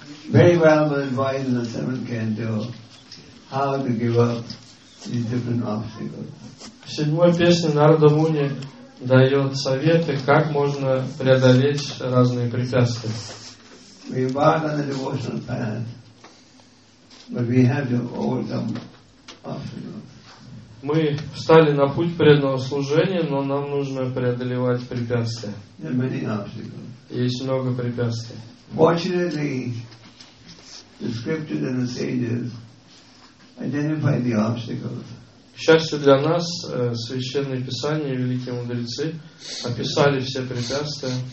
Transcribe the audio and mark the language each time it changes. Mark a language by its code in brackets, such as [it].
[en] Very well advised the seventh canto how to give up these different obstacles. [ru] В седьмой песне Нарада Муни дает советы, как можно преодолеть разные препятствия. [en] We embark on the devotional path, but we have to overcome obstacles. [ru] Мы встали на путь преданного служения, но нам нужно преодолевать препятствия. [en] There are many obstacles. [ru] Есть много препятствий. [en] Fortunately, the scriptures and the sages identify the obstacles. [ru] К счастью для нас, Священные Писания и Великие Мудрецы описали все препятствия.